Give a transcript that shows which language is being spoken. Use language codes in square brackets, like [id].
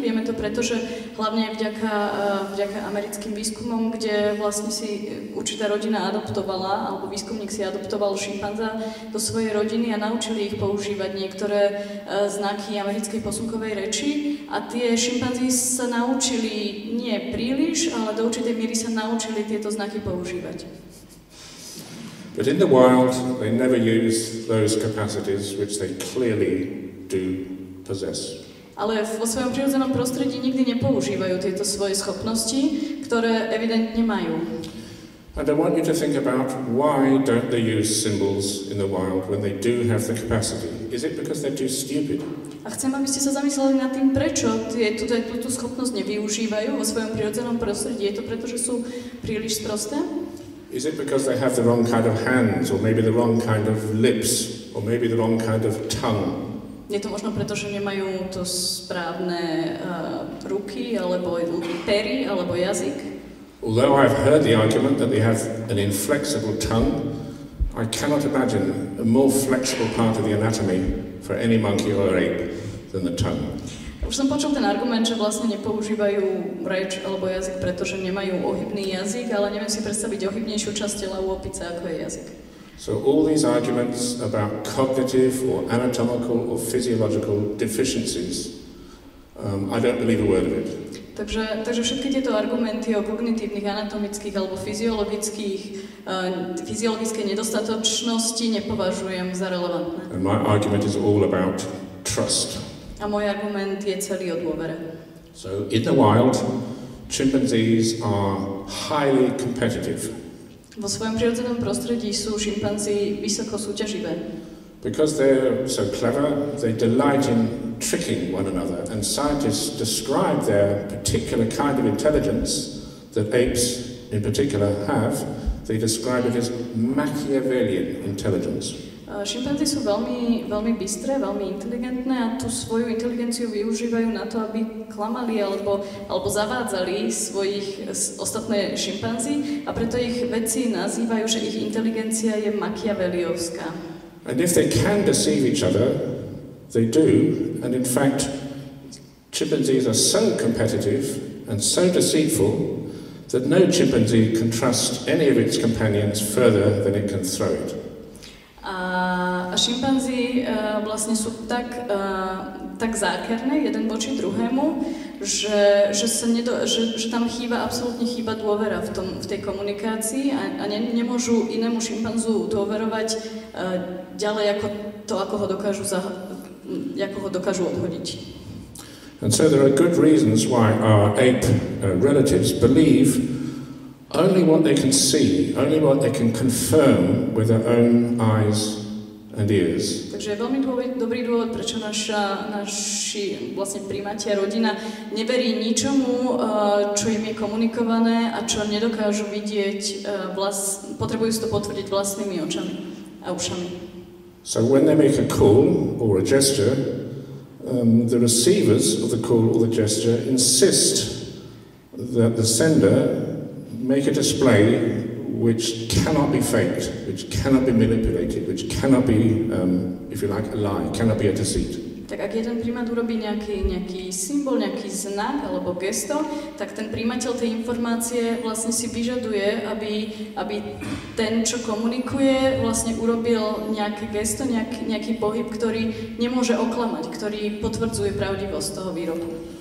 [sk] Vieme to preto, že hlavne vďaka americkým výskumom, kde vlastne si určitá rodina adoptovala, alebo výskumník si adoptoval šimpanza do svojej rodiny a naučili ich používať niektoré znaky americkej posunkovej reči. A tie šimpanzy sa naučili nie príliš, ale do určitej miery sa naučili tieto znaky používať. [en] But in the wild, they never use those capacities which they clearly do possess. [sk] Ale vo svojom prirodzenom prostredí nikdy nepoužívajú tieto svoje schopnosti, ktoré evidentne majú. [en] And I want you to think about why don't they use symbols in the wild when they do have the capacity. Is it because they're too stupid? [sk] A chcem, aby ste sa zamysleli nad tým, prečo túto schopnosť nevyužívajú vo svojom prirodzenom prostredí. Je to preto, že sú príliš sprosté? [en] Is it because they have the wrong kind of hands, or maybe the wrong kind of lips, or maybe the wrong kind of tongue? [sk] Je to možno preto, že nemajú to správne ruky, alebo pery, alebo jazyk? [en] Although I've heard the argument that they have an inflexible tongue, I cannot imagine a more flexible part of the anatomy for any monkey or ape than the tongue. [sk] Už som počul ten argument, že vlastne nepoužívajú reč alebo jazyk, pretože nemajú ohybný jazyk, ale neviem si predstaviť ohybnejšiu časť tela u opice, ako je jazyk. [en] So all these arguments about cognitive or anatomical or physiological deficiencies, I don't believe a word of it. [sk] Takže všetky tieto argumenty o kognitívnych, anatomických alebo fyziologickej nedostatočnosti nepovažujem za relevantné. [en] And my argument is all about trust. [sk] A môj argument je celý o dôvere. [en] So in the wild, chimpanzees are highly competitive. [sk] Vo svojom prirodzenom prostredí sú šimpanzi vysoko súťaživé. [en] Because they're so clever, they delight in tricking one another. And scientists describe their particular kind of intelligence that apes in particular have. They describe it as Machiavellian intelligence. [sk] Šimpanzi sú veľmi, veľmi bystré, veľmi inteligentné a tú svoju inteligenciu využívajú na to, aby klamali alebo zavádzali svojich ostatné šimpanzi a preto ich vedci nazývajú, že ich inteligencia je machiavelliovská. [en] And if they can deceive each other, they do, and in fact, chimpanzees are so competitive and so deceitful that no chimpanzee can trust any of its companions further than it can throw it. [sk] A šimpanzi vlastne sú tak zákerné jeden voči druhému, že tam absolútne chýba dôvera v tej komunikácii a nemôžu inému šimpanzu dôverovať ďalej ako to, ako ho dokážu odhodiť. [en] And so there are good reasons why our ape relatives believe only what they can see, only what they can confirm with their own eyes and ears. [sk] Takže je veľmi dobrý dôvod, prečo naši vlastne primáti a rodina neverí ničomu, čo im je komunikované a čo nedokážu vidieť, potrebujú si to potvrdiť vlastnými očami a ušami. [en] So when they make a call or a gesture, the receivers of the call or the gesture insist that the sender make a display which cannot be faked, which cannot be manipulated, which cannot be, if you like, a lie, cannot be a deceit. [sk] Tak ak jeden primát urobí nejaký symbol, nejaký znak alebo gesto, tak ten primateľ tej informácie vlastne si vyžaduje, aby ten, čo komunikuje, vlastne urobil nejaké gesto, nejaký pohyb, ktorý nemôže oklamať, ktorý potvrdzuje pravdivosť toho výroku.